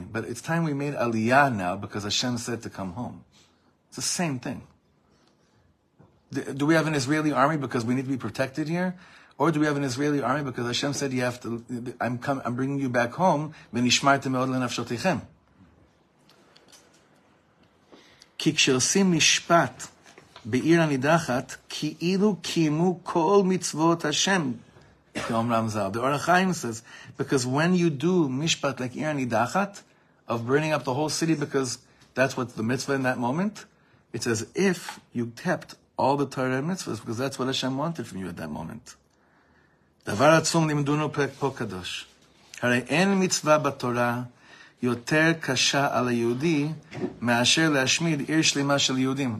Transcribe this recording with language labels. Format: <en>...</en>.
<en>But it's time we made Aliyah now because Hashem said to come home. It's the same thing. Do we have an Israeli army because we need to be protected here? Or do we have an Israeli army because Hashem said you have to, I'm bringing you back home,</en> <he>v'nishmartem me'od l'nafshoticheim? כי כשעושים משפט בעיר הנידחת, כאילו קיימו כל מצוות השם, כאומרם זר.</he> <en>The Or HaChaim says, because when you do משפט like עיר הנידחת, of burning up the whole city because that's what the mitzvah in that moment, it's as if you kept all the Torah and mitzvahs because that's what Hashem wanted from you at that moment.</en> <he>דבר עצום לימדונו פה קדוש. הרי אין מצווה בתורה יותר קשה על היהודי מאשר להשמיד עיר שלמה של יהודים.</he>